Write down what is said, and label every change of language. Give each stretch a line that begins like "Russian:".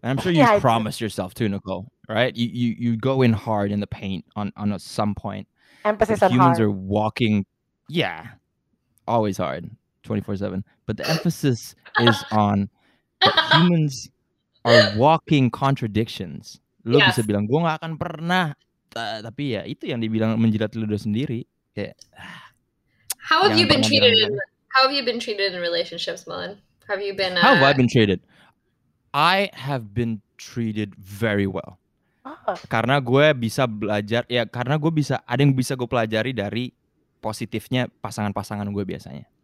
English: And I'm sure you promised yourself too, Nicole. Right? You go in hard in the paint on some point. Emphasis on humans hard. Are walking. Yeah. Always hard. 24/7. But the emphasis is on humans are walking contradictions.
Indonesian: Lo bisa bilang gue nggak akan pernah, tapi ya itu yang dibilang menjilat lo sendiri. Kayak,
English: how have you been treated? How have you been treated in relationships, Mullen? Have you been? How have I been treated? I have been treated very well. Oh.
Indonesian: Karena gue bisa belajar, ya karena gue bisa ada yang bisa gue pelajari dari positifnya pasangan-pasangan gue biasanya.